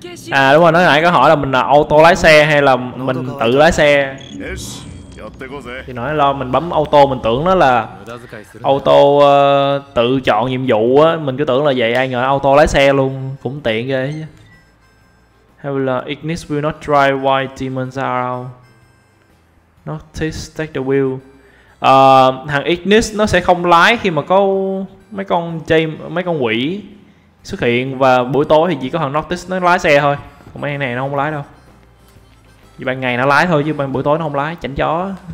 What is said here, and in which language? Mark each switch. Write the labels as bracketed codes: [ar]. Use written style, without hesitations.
[vi] À đúng rồi, nó nãy có hỏi là mình là auto lái xe hay là mình tự lái xe. Thì nói lo mình bấm auto, mình tưởng nó là auto tự chọn nhiệm vụ á. Mình cứ tưởng là vậy, ai ngờ auto lái xe luôn. Cũng tiện ghê chứ. Hay là [en] Ignis will not drive while demons are around. Noctis take the wheel. [vi] Thằng Ignis nó sẽ không lái khi mà có mấy con quỷ xuất hiện. Và buổi tối thì chỉ có thằng Noctis nó lái xe thôi. Còn mấy anh này nó không lái đâu. Vì ban ngày nó lái thôi chứ ban buổi tối nó không lái, chảnh chó.